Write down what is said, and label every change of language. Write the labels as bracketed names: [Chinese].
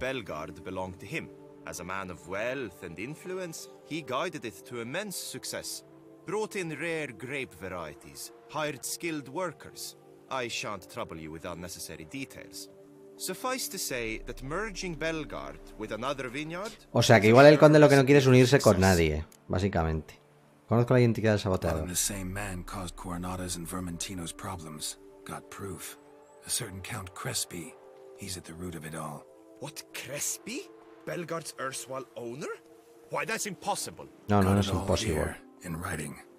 [English] Belgard belonged to him. As a man of wealth and influence, he guided it to immense success. Brought in rare grape varieties, hired skilled workers. I shan't trouble you with unnecessary details. Suffice to say that merging Belgard with another vineyard. [Spanish] O sea que igual el conde lo que no quiere es unirse con nadie, básicamente. Conozco la identidad del saboteador. [English] The same man caused Coronada's and Vermentino's problems. Got proof. A certain Count Crespi. He's at the root of it all. What, Crespi? Belgard's erstwhile owner? Why, that's impossible. [Spanish] No, es imposible. [English] In writing.